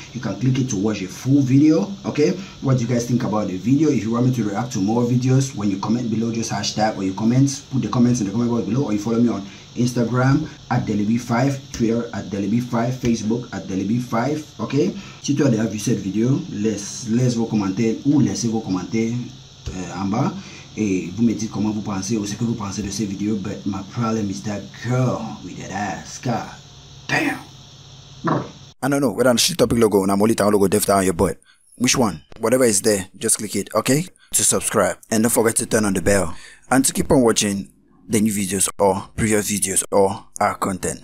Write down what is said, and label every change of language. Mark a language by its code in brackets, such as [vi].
[en] You can click it to watch a full video, okay? What do you guys think about the video? If you want me to react to more videos, when you comment below, just hashtag or you comment, put the comments in the comment box below, or you follow me on Instagram at DeliB5, Twitter at DeliB5, Facebook at DeliB5, ok? [fr] Si tu as déjà vu cette vidéo, laisse vos commentaires ou laissez vos commentaires en bas et vous me dites comment vous pensez ou ce que vous pensez de cette vidéo. [en] But my problem is that girl with that ass, god damn! I don't know, whether on the shit topic logo, on a molly town logo, dev down your butt. Which one? Whatever is there, just click it, ok? To subscribe and don't forget to turn on the bell and to keep on watching the new videos or previous videos or our content.